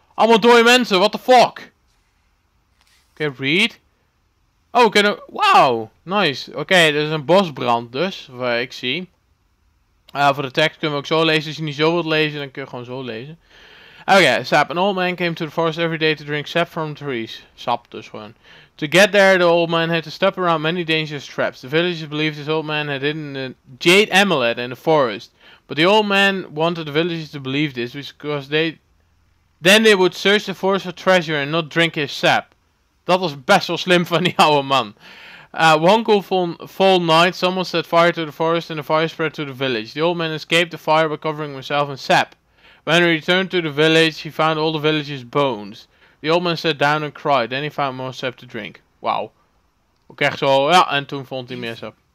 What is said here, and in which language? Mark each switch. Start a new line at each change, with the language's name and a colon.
Dutch: Allemaal dode mensen, what the fuck? Oké, read. Oh, we kunnen... Wow! Nice. Oké, dit is een bosbrand dus, wat ik zie. Voor de tekst kunnen we ook zo lezen. Als je niet zo wilt lezen, dan kun je gewoon zo lezen.
English: Okay, sap. An old man came to the forest every day to drink sap from trees. Sap dus gewoon. To get there, the old man had to step around many dangerous traps. The villagers believed this old man had hidden a jade amulet in the forest. But the old man wanted the villagers to believe this because they would search the forest for treasure and not drink his sap. Dat was best wel slim van die oude man. One cool fall night, someone set fire to the forest and the fire spread to the village. The old man escaped the fire by covering himself in sap. When he returned to the village, he found all the village's bones. The old man sat down and cried. Then he found more sap to drink. Wow.
Dutch: Oké, zo, ja, en toen vond hij meer sap.